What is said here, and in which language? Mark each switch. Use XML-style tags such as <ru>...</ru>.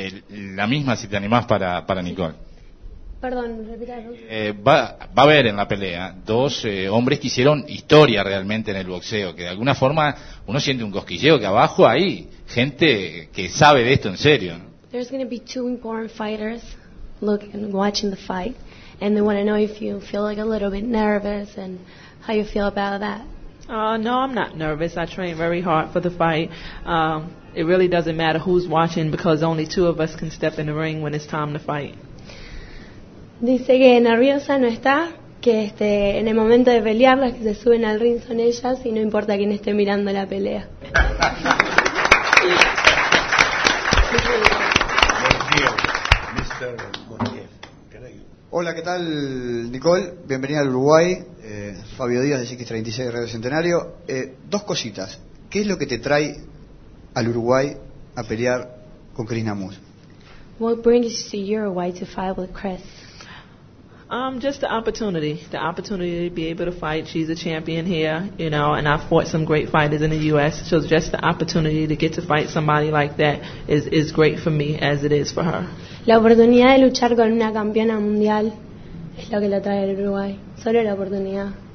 <es>La misma, si te animás, para Nicole. Sí. Perdón, repítalo. Va a haber en la pelea dos hombres que hicieron historia realmente en el boxeo, que de alguna forma uno siente un cosquilleo, que abajo hay gente que sabe de esto en serio.</es> <en>There's going to be two important fighters looking, watching the fight, and they want to know if you feel like a little bit nervous and how you feel about that. No, I'm not nervous. I train very hard for the fight. It really doesn't matter who's watching, because only two of us can step in the ring when it's time to fight.</en> <es>Dice que nerviosa no está, que en el momento de pelear las que se suben al ring son ellas y no importa quién esté mirando la pelea. Hola, ¿qué tal, Nicole? Bienvenida al Uruguay. Fabio Díaz de X36 Radio Centenario. Dos cositas. ¿Qué es lo que te trae al Uruguay a pelear con Cris Namus?</es> <en>What brings you to Uruguay to fight with Chris? Just the opportunity to be able to fight. She's a champion here, you know, and I've fought some great fighters in the U.S., so just the opportunity to get to fight somebody like that is great for me as it is for her.</en> <es>La oportunidad de luchar con una campeona mundial es lo que la trae al Uruguay, solo la oportunidad.</es>